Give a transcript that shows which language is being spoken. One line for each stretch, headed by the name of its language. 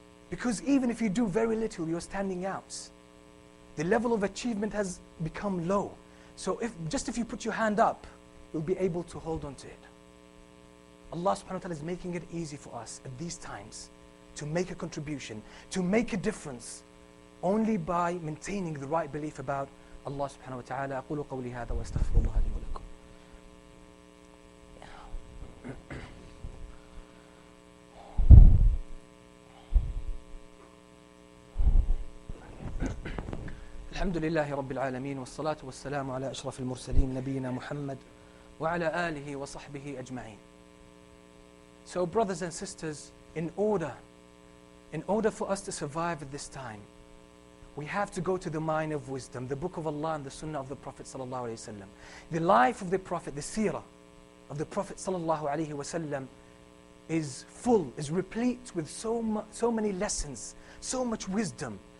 English: Because even if you do very little, you're standing out. The level of achievement has become low. So if you put your hand up, you'll be able to hold on to it. Allah subhanahu wa ta'ala is making it easy for us at these times to make a contribution, to make a difference, only by maintaining the right belief about Allah subhanahu wa ta'ala.
Arabic: أقول قولي هذا واستغفر الله لي ولكم. الحمد لله رب العالمين والصلاة والسلام على أشرف المرسلين نبينا محمد وعلى آله وصحبه أجمعين.
English: So brothers and sisters, in order for us to survive at this time, we have to go to the mine of wisdom, the book of Allah and the sunnah of the Prophet sallallahu alaihi wasallam. The life of the Prophet, the seerah of the Prophet sallallahu alaihi wasallam is replete with so many lessons, so much wisdom.